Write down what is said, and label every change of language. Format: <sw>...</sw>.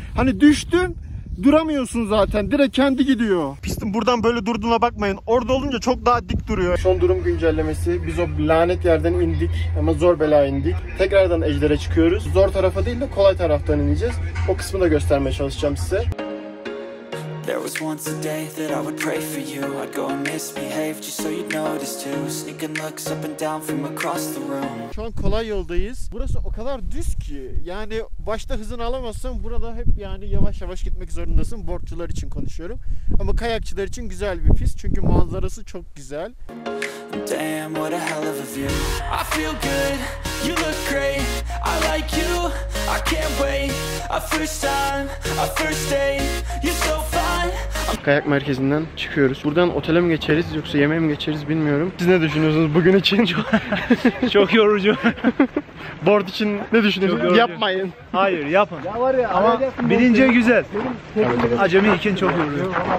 <tr>Hani düştüm, duramıyorsun zaten. Direkt kendi gidiyor. Pistin buradan böyle durduğuna bakmayın. Orada olunca çok daha dik duruyor. Son durum güncellemesi. Biz o lanet yerden indik. Ama zor bela indik. Tekrardan ejdere çıkıyoruz. Zor tarafa değil de kolay taraftan ineceğiz. O kısmı da göstermeye çalışacağım size.</tr> <en>There was once a day that I would pray for you. I'd go and misbehave just so you'd notice too. Sneaking looks up and down from across the room.</en> <tr>Şu an kolay yoldayız. Burası o kadar düz ki, yani başta hızını alamazsın, burada hep yani yavaş yavaş gitmek zorundasın. Borçlular için konuşuyorum. Ama kayakçılar için güzel bir pist çünkü manzarası çok güzel.</tr> <en>Damn, what a hell of a view. I feel good. You look great. I like you. I can't wait. A first time, a first day. You're so fine.</en> <tr>Kayak merkezinden çıkıyoruz. Buradan otele mi geçeriz yoksa yemeğe mi geçeriz bilmiyorum. Siz ne düşünüyorsunuz bugün için? Çok yorucu. Board için ne düşünüyorsunuz? Yapmayın. Hayır, yapın. Ya var ya, ama bilince güzel. Acemi için çok yorucu.</tr>